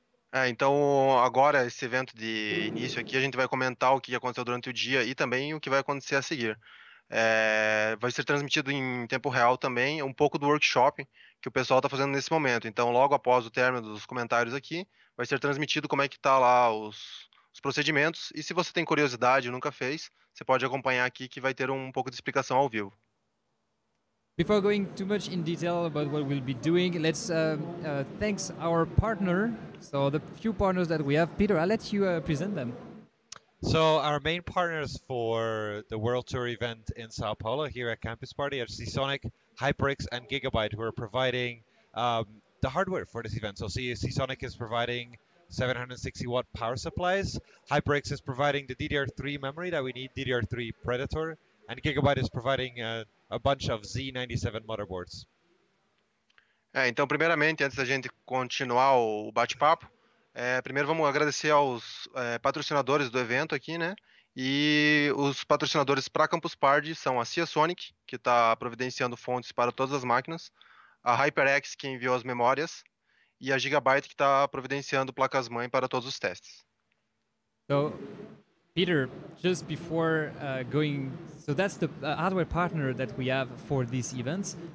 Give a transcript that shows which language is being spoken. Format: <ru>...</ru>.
<pt>Então, agora, esse evento de início aqui, a gente vai comentar o que aconteceu durante o dia e também o que vai acontecer a seguir. Vai ser transmitido em tempo real também um pouco do workshop que o pessoal está fazendo nesse momento. Então, logo após o término dos comentários aqui, vai ser transmitido como é que está lá os procedimentos. E se você tem curiosidade e nunca fez, você pode acompanhar aqui que vai ter um pouco de explicação ao vivo.</pt> <en>Before going too much in detail about what we'll be doing, let's thanks our partner. So the few partners that we have, Peter, I'll let you present them. So our main partners for the World Tour event in Sao Paulo here at Campus Party are Seasonic, HyperX, and Gigabyte, who are providing the hardware for this event. So Seasonic is providing 760-watt power supplies. HyperX is providing the DDR3 memory that we need, DDR3 Predator. And Gigabyte is providing a bunch of Z97 motherboards.</en> <pt>Então, primeiramente, antes da gente continuar o bate-papo, primeiro vamos agradecer aos patrocinadores do evento aqui, né? E os patrocinadores para a Campus Party são a Seasonic, que está providenciando fontes para todas as máquinas, a HyperX, que enviou as memórias, e a Gigabyte que está providenciando placas-mãe para todos os testes.</pt> <en>So, Peter, just before going, so that's the hardware partner that we have for these events.</en>